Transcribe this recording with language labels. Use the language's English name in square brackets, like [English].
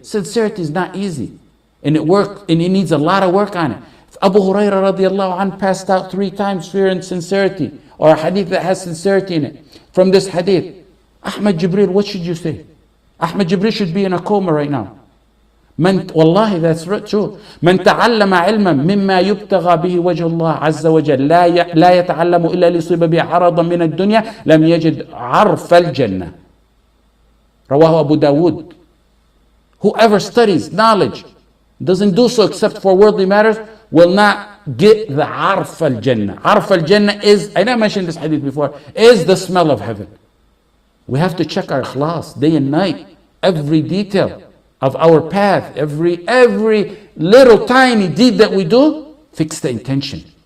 [English] Sincerity is not easy. And it works, and it needs a lot of work on it. If Abu Huraira radiallahu anhu passed out 3 times fear and sincerity, or a hadith that has sincerity in it, from this hadith, Ahmad Jibril, what should you say? Ahmad Jibril should be in a coma right now. Wallahi, that's true. [Arabic] من تعلم علما مما يبتغى به وجه الله عز وجل لا يتعلم إلا ليصيب به عرضا من الدنيا لم يجد عرف الجنة. رواه أبو داود. [English] Whoever studies knowledge, doesn't do so except for worldly matters, will not get the عرف الجنة. عرف الجنة is, I never mentioned this hadith before, is the smell of heaven. We have to check our ikhlas day and night, every detail of our path, every little tiny deed that we do, fix the intention.